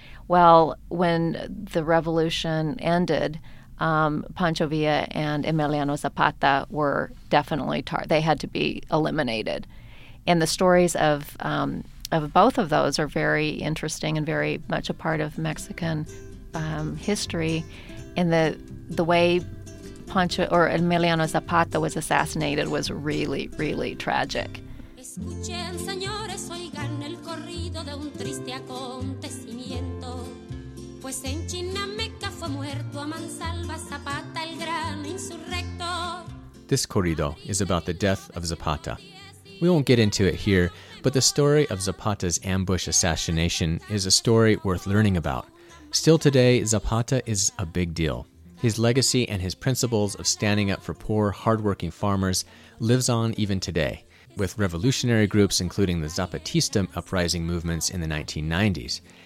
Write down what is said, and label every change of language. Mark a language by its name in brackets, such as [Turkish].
[English] Well, when the revolution ended, Pancho Villa and Emiliano Zapata were definitely they had to be eliminated. And the stories of both of those are very interesting and very much a part of Mexican history. And the way Pancho or Emiliano Zapata was assassinated was really, really tragic. [Spanish] Escuchen, señores, oigan el corrido de un triste acontecimiento. Pues en Chinameca fue muerto a mansalva Zapata, el gran insurrecto. [English] This corrido is about the death of Zapata. We won't get into it here, but the story of Zapata's ambush assassination is a story worth learning about. Still today, Zapata is a big deal. His legacy and his principles of standing up for poor, hardworking farmers lives on even today, with revolutionary groups including the Zapatista uprising movements in the 1990s.